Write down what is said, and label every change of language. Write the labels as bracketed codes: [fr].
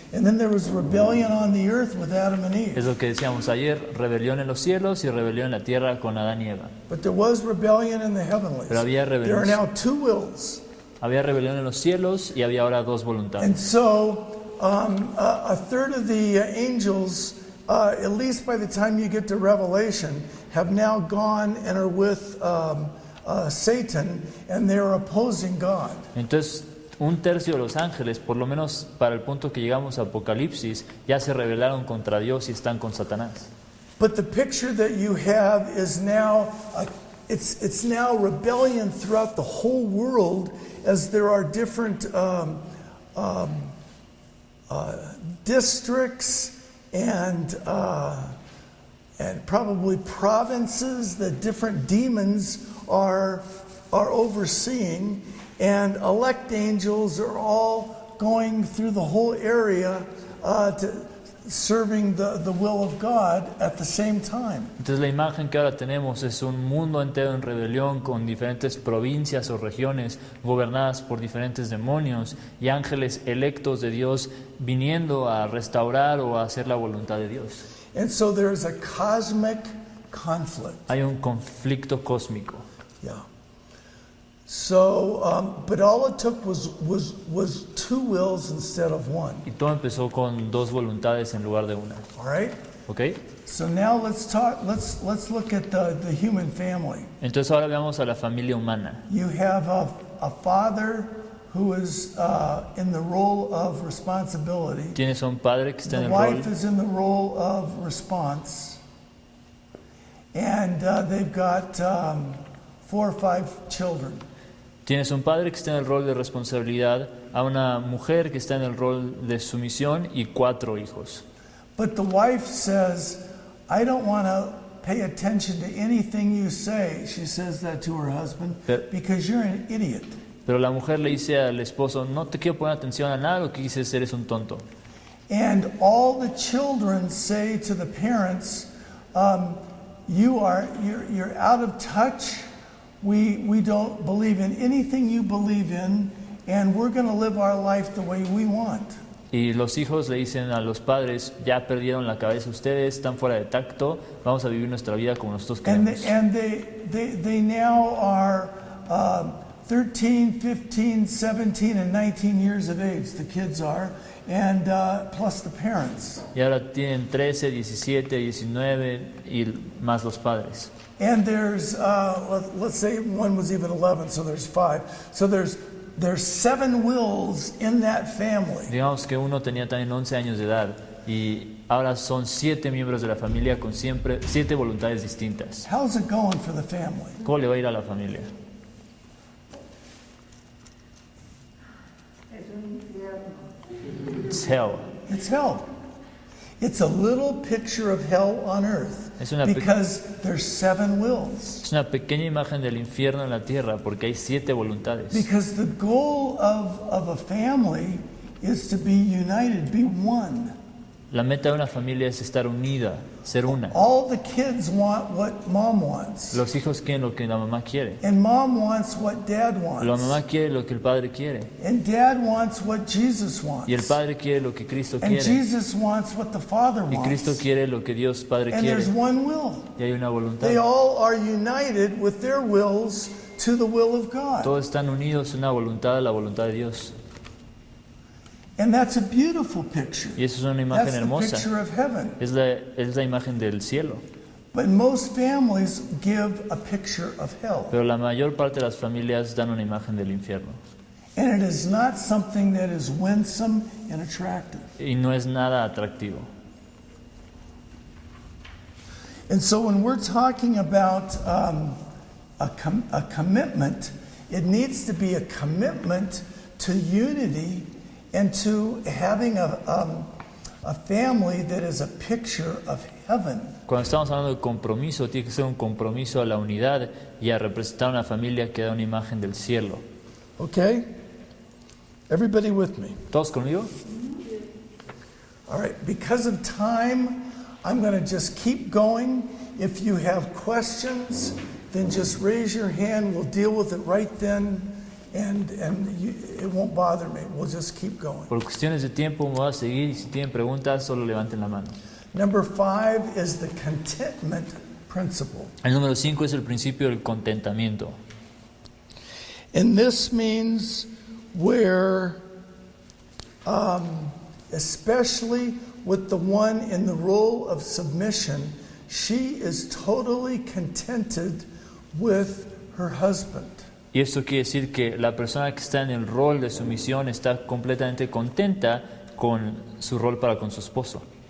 [en] And then there was rebellion on the earth with Adam and Eve. [es] Es lo que decíamos ayer, rebelión en los cielos y rebelión en la tierra con Adán y Eva. [en] But there was rebellion in the heavenlies. [es] Pero había rebelión. [en] There are now two wills. [es] Había rebelión en los cielos y había ahora dos voluntades. [en] And so, a third of the angels, at least by the time you get to Revelation, have now gone and are with Satan, and they are opposing God. [es] Entonces, un tercio de los ángeles, por lo menos para el punto que llegamos a Apocalipsis, ya se rebelaron contra Dios y están con Satanás. [en] But the picture that you have is now it's now rebellion throughout the whole world, as there are different districts and probably provinces that different demons are overseeing. And elect angels are all going through the whole area to serving the will of God at the same time. [es] Entonces la imagen que ahora tenemos es un mundo entero en rebelión con diferentes provincias o regiones gobernadas por diferentes demonios y ángeles electos de Dios viniendo a restaurar o a hacer la voluntad de Dios. [en] And so there is a cosmic conflict. [es] Hay un conflicto cósmico. [en] Yeah. So, but all it took was two wills instead of one. [es] Y todo empezó con dos voluntades en lugar de una. [en] All right. Okay. So now let's look at the human family. [es] Entonces ahora veamos a la familia humana. [en] You have a father who is in the role of responsibility. [es] Tienes un padre que está en el rol. [en] The wife is in the role of response, and they've got. Four or five children. [es] Tienes un padre que está en el rol de responsabilidad, a una mujer que está en el rol de sumisión y cuatro hijos. [en] But the wife says, "I don't want to pay attention to anything you say." She says that to her husband, because you're an idiot. [es] Pero la mujer le dice al esposo, "No te quiero poner atención a nada, lo que dices eres un tonto." [en] And all the children say to the parents, "You're out of touch. We don't believe in anything you believe in, and we're going to live our life the way we want." [es] Y los hijos le dicen a los padres, ya perdieron la cabeza ustedes, están fuera de tacto, vamos a vivir nuestra vida como nosotros queremos. [en] And they now are 13, 15, 17, and 19 years of age, the kids are, and plus the parents. [es] Y ahora tienen 13, 17, 19, y más los padres. [en] And there's, let's say one was even 11, so there's five. So there's seven wills in that family. [es] Digamos que uno tenía también 11 años de edad, y ahora son siete miembros de la familia con siempre siete voluntades distintas. [en] How's it going for the family? [es] ¿Cómo le va a ir a la familia? [en] It's hell. It's hell. It's a little picture of hell on earth because there's seven wills. [es] Es una pequeña imagen del infierno en la tierra porque hay siete voluntades. [en] Because the goal of a family is to be united, be one. [es] La meta de una familia es estar unida, ser una. [en] All the kids want what mom wants. [es] Los hijos quieren lo que la mamá quiere. [en] And mom wants what dad wants. [es] La mamá quiere lo que el padre quiere. [en] And dad wants what Jesus wants. [es] Y el padre quiere lo que Cristo [en] and [es] quiere. [en] And Jesus wants what the Father wants. [es] Y Cristo quiere lo que Dios Padre [en] and [es] quiere. [en] And there's one will. [es] Y hay una voluntad. [en] They all are united with their wills to the will of God. [es] Todos están unidos en una voluntad, la voluntad de Dios. [en] And that's a beautiful picture. [es] Y eso es una imagen [en] that's [es] hermosa. [en] The picture of heaven. [es] Es la imagen del cielo. [en] But most families give a picture of hell. [es] Pero la mayor parte de las familias dan una imagen del infierno. [en] And it is not something that is winsome and attractive. [es] Y no es nada atractivo. [en] And so when we're talking about a commitment, it needs to be a commitment to unity and to having a family that is a picture of heaven. [es] Cuando estamos hablando de compromiso, tiene que ser un compromiso a la unidad y a representar una familia que da una imagen del cielo. [en] Okay. Everybody with me. [es] ¿Todos conmigo? [en] All right. Because of time, I'm going to just keep going. If you have questions, then just raise your hand. We'll deal with it right then. And you, it won't bother me. We'll just keep going. [es] Por cuestiones de tiempo, me voy a seguir. Si tienen preguntas, solo levanten la mano. [en] Number 5 is the contentment principle. [es] El número 5 es el principio del contentamiento. [en] And this means where, especially with the one in the role of submission, she is totally contented with her husband. [es] Y esto quiere decir que la persona que está en el rol de sumisión está completamente contenta con su rol para con su esposo.